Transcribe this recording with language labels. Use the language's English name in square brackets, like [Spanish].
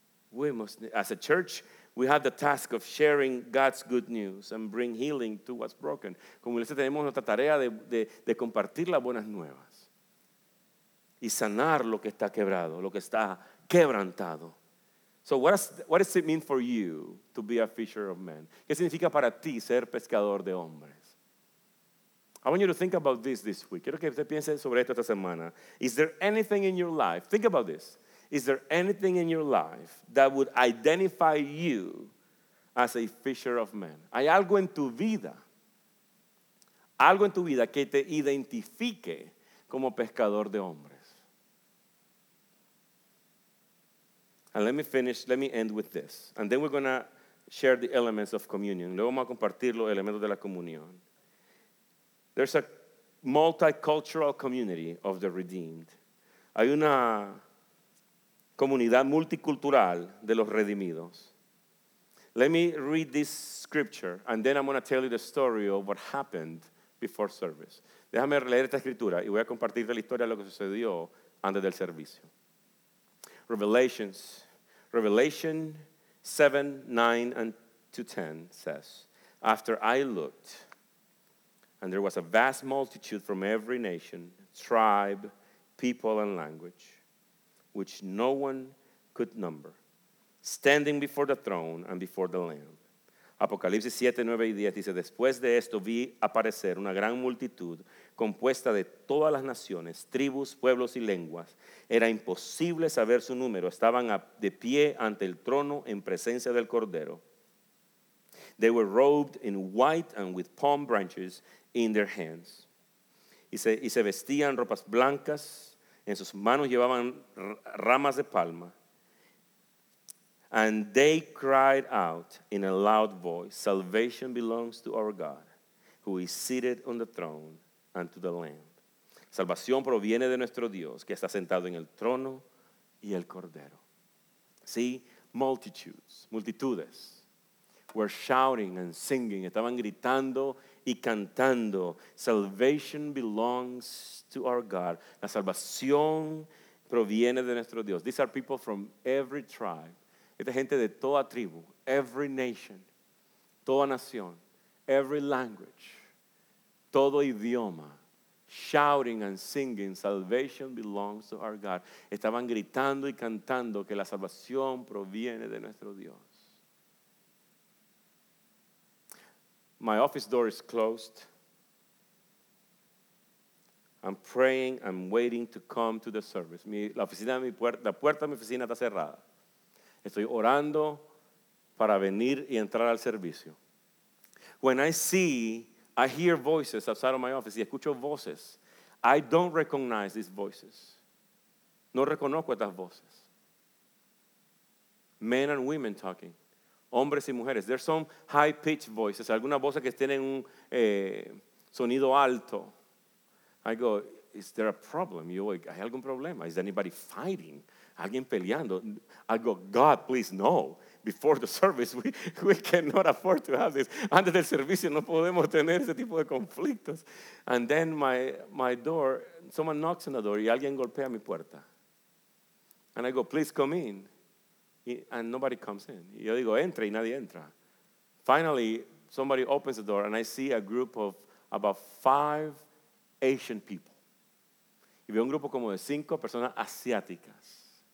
[English] We must, as a church, we have the task of sharing God's good news and bring healing to what's broken. [Spanish] Como iglesia tenemos nuestra tarea de compartir las buenas nuevas. Y sanar lo que está quebrado, lo que está quebrantado. [English] So what does it mean for you to be a fisher of men? [Spanish] ¿Qué significa para ti ser pescador de hombres? [English] I want you to think about this week. [Spanish] Quiero que usted piense sobre esto esta semana. [English] Is there anything in your life? Think about this. Is there anything in your life that would identify you as a fisher of men? [Spanish] ¿Hay algo en tu vida? Algo en tu vida que te identifique como pescador de hombres. [English] And let me end with this. And then we're going to share the elements of communion. [Spanish] Luego vamos a compartir los elementos de la comunión. [English] There's a multicultural community of the redeemed. [Spanish] Hay una comunidad multicultural de los redimidos. [English] Let me read this scripture, and then I'm going to tell you the story of what happened before service. [Spanish] Déjame leer esta escritura y voy a compartirte la historia de lo que sucedió antes del servicio. [English] Revelation 7, 9, and 10 says, after I looked, and there was a vast multitude from every nation, tribe, people, and language, which no one could number, standing before the throne and before the Lamb. [Spanish] Apocalipsis 7, 9 y 10 dice, después de esto vi aparecer una gran multitud compuesta de todas las naciones, tribus, pueblos y lenguas. Era imposible saber su número. Estaban de pie ante el trono en presencia del Cordero. [English] They were robed in white and with palm branches in their hands. [Spanish] Y se vestían ropas blancas. En sus manos llevaban ramas de palma. [English] And they cried out in a loud voice, salvation belongs to our God, who is seated on the throne and to the Lamb. [Spanish] Salvación proviene de nuestro Dios, que está sentado en el trono y el cordero. [English] See, multitudes were shouting and singing, [Spanish] estaban gritando y cantando, [English] salvation belongs to our God. [Spanish] La salvación proviene de nuestro Dios. [English] These are people from every tribe. [Spanish] Esta gente de toda tribu, [English] every nation, [Spanish] toda nación, [English] every language, [Spanish] todo idioma, [English] shouting and singing, salvation belongs to our God. [Spanish] Estaban gritando y cantando que la salvación proviene de nuestro Dios. [English] My office door is closed. I'm praying, I'm waiting to come to the service. [Spanish] La puerta de mi oficina está cerrada. Estoy orando para venir y entrar al servicio. [English] When I hear voices outside of my office, [Spanish] y escucho voces, [English] I don't recognize these voices. [Spanish] No reconozco estas voces. [English] Men and women talking. [Spanish] Hombres y mujeres. [English] There's some high-pitched voices. [Spanish] Algunas voces que tienen un sonido alto. [English] I go, is there a problem? [Spanish] Yo voy, ¿hay algún problema? [English] Is anybody fighting? [Spanish] Alguien peleando. [English] I go, God, please, no. Before the service, we cannot afford to have this. [Spanish] Antes del servicio, no podemos tener ese tipo de conflictos. [English] And then my door, someone knocks on the door, [Spanish] y alguien golpea mi puerta. [English] And I go, please come in. And nobody comes in. [Spanish] Y yo digo, entre, y nadie entra. [English] Finally, somebody opens the door, and I see a group of about 5 Asian people. [Spanish] Y veo un grupo como de 5 personas asiáticas.